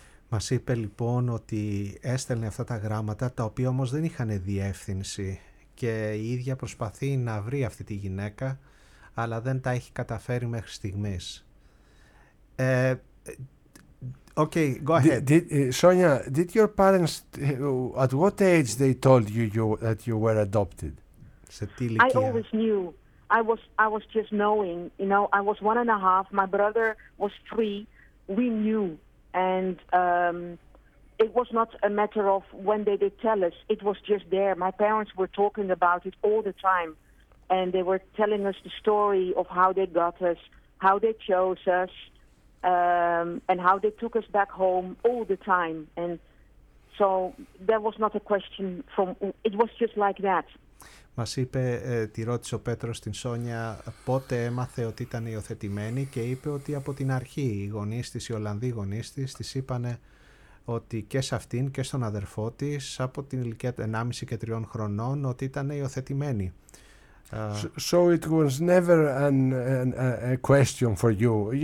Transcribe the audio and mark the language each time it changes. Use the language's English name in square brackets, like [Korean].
[Greek] Μας είπε λοιπόν ότι έστελνε αυτά τα γράμματα, τα οποία όμως δεν είχαν διεύθυνση, και η ίδια προσπαθεί να βρει αυτή τη γυναίκα, αλλά δεν τα έχει καταφέρει μέχρι στιγμής. [English] Okay, go ahead. Sonia, did your parents, at what age they told you that you were adopted? I always knew. I was just knowing. I was 1.5. My brother was 3. We knew. And it was not a matter of when they did tell us. It was just there. My parents were talking about it all the time. And they were telling us the story of how they got us, how they chose us. And how they took us back home all the time, and so there was not a question from. It was just like that. [Greek] Μας είπε, τη ρώτησε ο Πέτρος την Σόνια πότε έμαθε ότι ήταν υιοθετημένη, και είπε ότι από την αρχή οι γονείς της, οι Ολλανδοί γονείς της, της είπανε ότι και σε αυτήν και στον αδερφό της από την ηλικία 1,5 και 3 χρονών ότι ήταν υιοθετημένη. [English] So it was never a question for you.